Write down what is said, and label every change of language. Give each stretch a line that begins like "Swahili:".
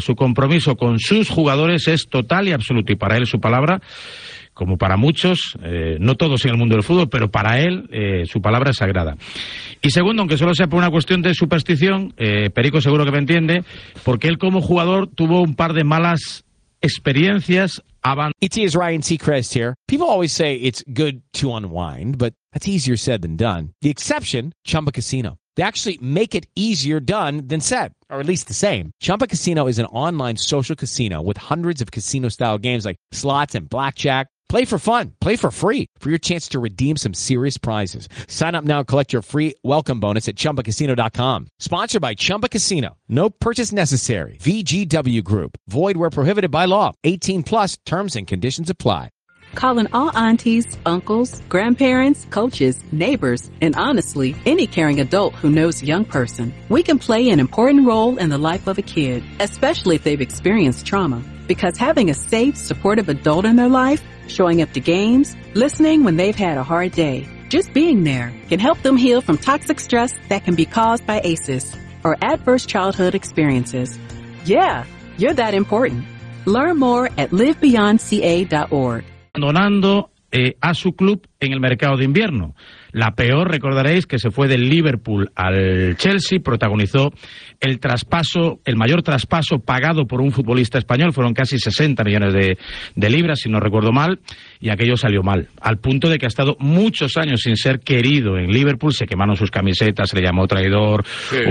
Spanish: Su compromiso con sus jugadores es total y absoluto. Y para él su palabra, como para muchos, no todos en el mundo del fútbol, pero para él su palabra es sagrada. Y segundo, aunque solo sea por una cuestión de superstición, Perico seguro que me entiende, porque él como jugador tuvo un par de malas experiencias.
English: It is Ryan Seacrest here. People always say it's good to unwind, but that's easier said than done. The exception, Chumba Casino. They actually make it easier done than said, or at least the same. Chumba Casino is an online social casino with hundreds of casino-style games like slots and blackjack. Play for fun. Play for free for your chance to redeem some serious prizes. Sign up now and collect your free welcome bonus at chumbacasino.com. Sponsored by Chumba Casino. No purchase necessary. VGW Group. Void where prohibited by law. 18 plus terms and conditions apply. Calling all aunties, uncles, grandparents, coaches, neighbors, and honestly, any caring adult who knows a young person. We can play an important role in the life of a kid, especially if they've experienced trauma. Because having a safe, supportive adult in their life, showing up to games, listening when they've had a hard day, just being there can help them heal from toxic stress that can be caused by ACEs or adverse childhood experiences. Yeah, you're that important. Learn more at livebeyondca.org.
Spanish: Abandonando a su club en el mercado de invierno. La peor, recordaréis, que se fue del Liverpool al Chelsea, protagonizó el traspaso, el mayor traspaso pagado por un futbolista español, fueron casi 60 millones de libras, si no recuerdo mal, y aquello salió mal, al punto de que ha estado muchos años sin ser querido en Liverpool, se quemaron sus camisetas, se le llamó traidor, sí.